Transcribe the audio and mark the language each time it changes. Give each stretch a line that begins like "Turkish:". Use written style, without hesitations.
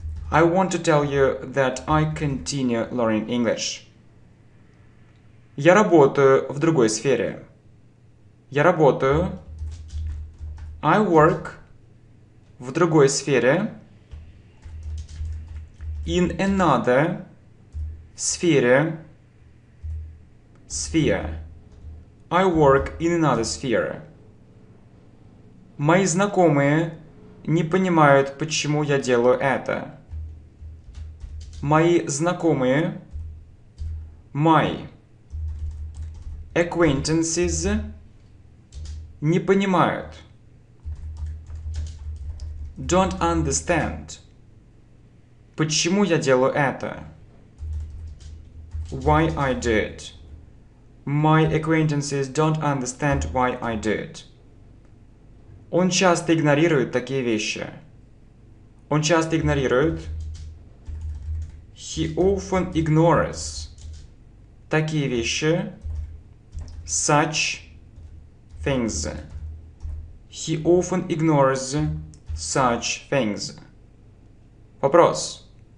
English: I want to tell you that I continue learning English.
Russian: Я работаю в другой сфере. Я работаю.
English: I work
Russian: в другой сфере.
English: In another сфере. Sphere. I work in another sphere.
Russian: Мои знакомые не понимают, почему я делаю это. Мои знакомые.
English: My acquaintances
Russian: не понимают.
English: Don't understand.
Russian: Почему я делаю это?
English: Why I do it. My acquaintances don't understand why I do it.
Russian: Он часто игнорирует такие вещи. Он часто игнорирует.
English: He often ignores
Russian: такие вещи.
English: Such things. He often ignores such things.
Russian: Вопрос.